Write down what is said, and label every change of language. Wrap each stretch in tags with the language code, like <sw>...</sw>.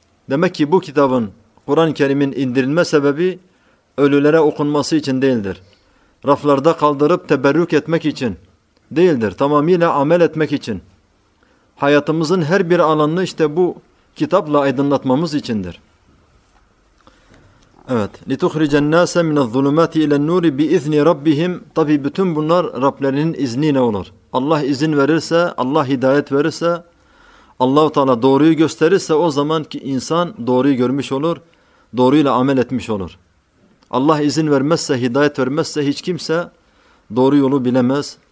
<tr>Demek ki bu kitabın, Kur'an-ı Kerim'in indirilme sebebi ölülere okunması için değildir. Raflarda kaldırıp teberrük etmek için değildir. Tamamıyla amel etmek için. Hayatımızın her bir alanını işte bu kitapla aydınlatmamız içindir.</tr> <ar>Evet, لِتُخْرِجَ النَّاسَ مِنَ الظُّلُمَاتِ اِلَى النُّورِ بِإِذْنِ رَبِّهِمْ.</ar> <tr>Tabi bütün bunlar Rablerinin izniyle olur. Allah izin verirse, Allah hidayet verirse, Allah-u Teala doğruyu gösterirse o zaman ki insan doğruyu görmüş olur, doğruyla amel etmiş olur. Allah izin vermezse, hidayet vermezse hiç kimse doğru yolu bilemez.</tr>